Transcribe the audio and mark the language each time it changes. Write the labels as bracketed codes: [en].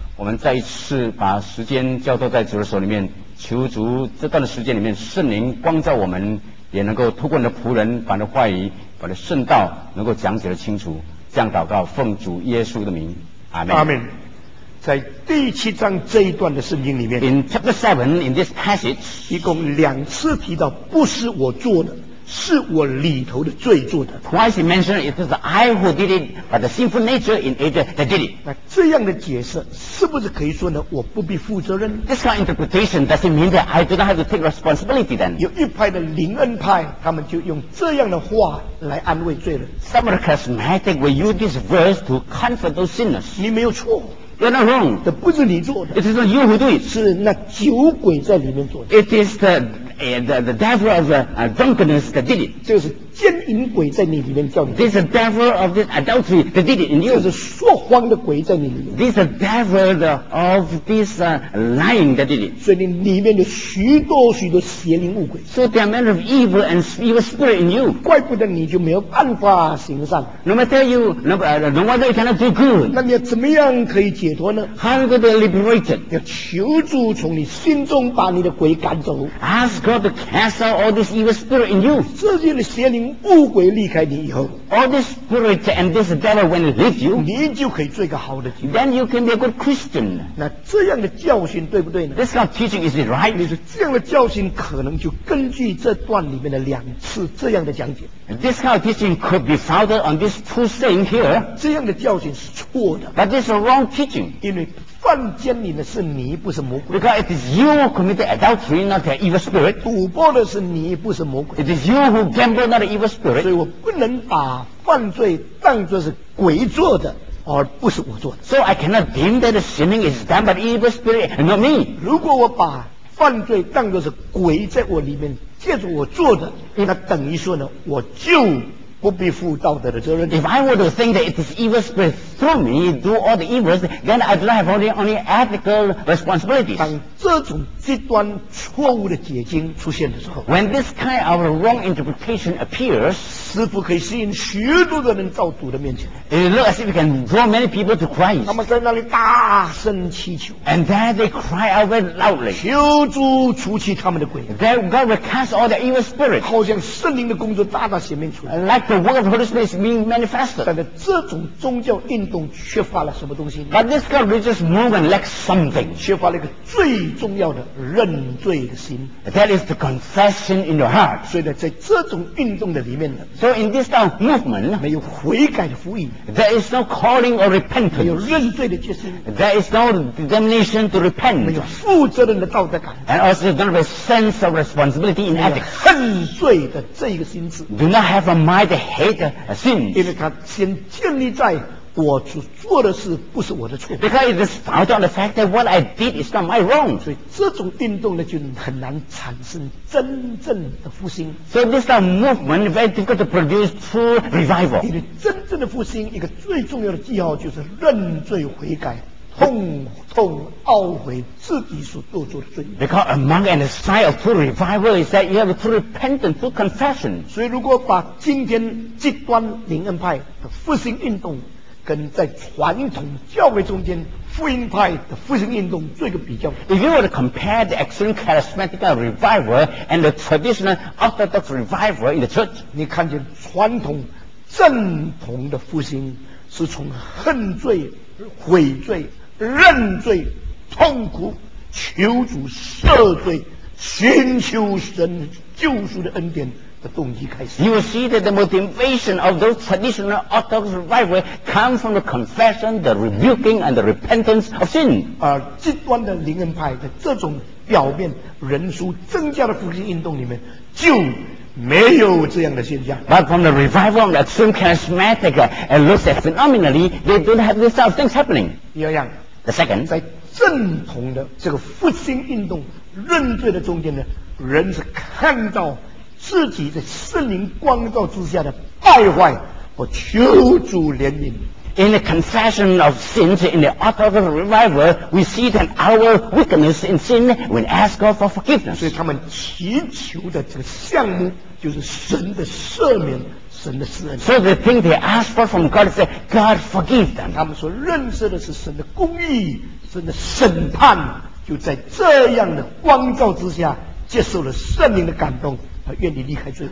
[zh] 我们再一次把时间交托在主的手里面，求主这段的时间里面圣灵光照我们，也能够透过你的仆人把你的话语、把你的圣道能够讲解得清楚。这样祷告，奉主耶稣的名，阿门。阿门。在第七章这一段的圣经里面 [en] ，In chapter seven, in this passage, [zh] 一共两次提到不是我做的，是我里头的罪做的。 [en] Twice he mentioned it was I who did it, but the sinful nature in Adam that did it. [zh] 那这样的解释是不是可以说呢？我不必负责任 [en] ？This kind of interpretation does it mean that I do not have to take responsibility then? [zh] 有一派的灵恩派，他们就用这样的话来安慰罪人。 [en] Some of the charismatic will use this verse to comfort those sinners. [zh] 你没有错。 [en] You're not wrong. [zh] 这不是你做的。 [en] It is not you who do it. [zh] 是那酒鬼在里面做的。 [en] It is the devil of drunkenness that did it. [zh] 这是奸淫鬼在你里面叫你。 [en] This is the devil of this adultery that did it in you. [zh] 这是说谎的鬼在你里面。 [en] This is the devil of this lying that did it. [zh] 所以你里面有许多许多邪灵恶鬼。 [en] So there are many of evil and evil spirit in you. [zh] 怪不得你就没有办法行善。 [en] No matter you, no wonder you cannot do good. [zh] 那你要怎么样可以解脱呢？ [en] How to be liberated? [zh] 要求主从你心中把你的鬼赶走。 [en] Ask God to cast out all this evil spirit in you. [zh] 这些的邪灵恶鬼离开你以后 [en] ，All this spirit and this devil when it leaves you， [zh] 你就可以做一个好的基督徒。 [en] Then you can be a good Christian。 [zh] 那这样的教训对不对呢 [en] ？This kind of teaching is it right？ [zh] 你说这样的教训可能就根据这段里面的两次这样的讲解。 [en] This kind of teaching could be founded on this two things here。 [zh] 这样的教训是错的。 [en] But this is wrong teaching。 [zh] 因为犯奸淫的是你，不是魔鬼。 [en] Because it is you who committed adultery, not the evil spirit. [zh] 赌博的是你，不是魔鬼。 [en] It is you who gambled, not the evil spirit. [zh] 所以我不能把犯罪当作是鬼做的，而不是我做的。 [en] So I cannot deem that the sinning is done by the evil spirit, not me. [zh] 如果我把犯罪当作是鬼在我里面借着我做的，那等于说呢，我就不必负道德的责任。 [en] If I were to think that it is evil spirit through me do all the evils, then I do not have only ethical responsibilities. [zh] 当这种极端错误的解经出现的时候 [en] ，When this kind of wrong interpretation appears， [zh] 似乎可以吸引许多的人到主的面前。 [en] It looks as if it can draw many people to Christ. [zh] 他们在那里大声祈求 [en] ，And then they cry out very loudly， [zh] 求主除去他们的鬼。 [en] Then God will cast all the evil spirits， [zh] 好像圣灵的工作大大显明出来。 [en] Like the work of Holy Spirit is being manifested. [zh] 但是这种宗教运动缺乏了什么东西呢 [en] ？But this kind of religious movement lacks something. [zh] 缺乏了一个最重要的认罪的心。 [en] That is the confession in your heart. [zh] 所以呢，在这种运动的里面呢 [en] ，So in this kind of movement, [zh] 没有悔改的福音。 [en] There is no calling or repentance. [zh] 没有认罪的决心。 [en] There is no determination to repent. [zh] 没有负责任的道德感。 [en] And also don't have a sense of responsibility in ethics. [zh] 恨罪的这一个心智。 [en] Do not have a mind. The hate of sins. [zh] 因为它先建立在我做的事不是我的错。 [en] Because it is founded on the fact that what I did is not my wrong. [zh] 所以这种运动呢，就很难产生真正的复兴。 [en] So this kind of movement is very difficult to produce true revival. [zh] 因为真正的复兴，一个最重要的记号就是认罪悔改。痛痛懊悔自己所做出的罪。 [en] Because a mark and a sign of true revival is that you have a true repentance, true confession. [zh] 所以，如果把今天极端灵恩派的复兴运动跟在传统教会中间福音派的复兴运动做一个比较 [en] ，If you were to compare the extreme charismatic revival and the traditional orthodox revival in the church, [zh] 你看见传统正统的复兴是从恨罪、悔罪。认罪、痛苦、求主赦罪、寻求神救赎的恩典的动机开始。 [en] You see that the motivation of those traditional orthodox revival comes from the confession, the rebuking, and the repentance of sin. [zh] 而极端的灵恩派的这种表面人数增加的复兴运动里面，就没有这样的现象。 [en] But from the revival of the extreme charismatic and looks at phenomenally, they don't have these sort of things happening. [zh] 第二样。 [en] The second, [zh] 在正统的这个复兴运动认罪的中间呢，人是看到自己在圣灵光照之下的败坏和求主怜悯。 [en] In the confession of sins in the orthodox revival, we see that our weakness in sin when ask God for forgiveness. [zh] 所以他们祈求的这个项目就是神的赦免。神的施恩。 [en] So the thing they ask for from God is that God forgive them. [zh] 他们所认识的是神的公义，神的审判，就在这样的光照之下，接受了圣灵的感动，他愿意离开罪。